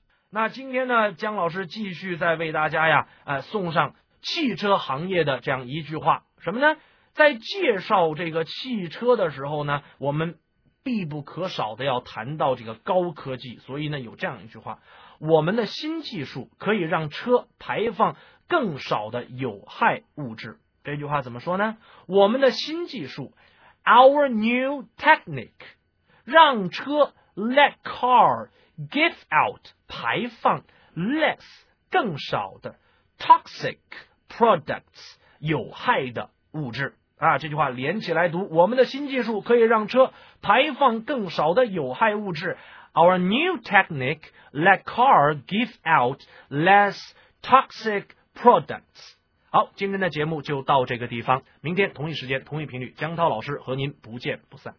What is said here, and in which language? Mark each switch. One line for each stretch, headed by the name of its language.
Chinese: 那今天呢，江老师继续再为大家呀，送上汽车行业的这样一句话，什么呢？在介绍这个汽车的时候呢，我们必不可少的要谈到这个高科技，所以呢，有这样一句话：我们的新技术可以让车排放更少的有害物质。这句话怎么说呢？我们的新技术 ，
English: our new technique，
Chinese: 让车
English: let car give out
Chinese: 排放 less 更少的
English: toxic products
Chinese: 有害的物质啊。这句话连起来读：我们的新技术可以让车排放更少的有害物质 ，
English: our new technique let car give out less toxic products。
Chinese: 好，今天的节目就到这个地方，明天同一时间同一频率，江涛老师和您不见不散。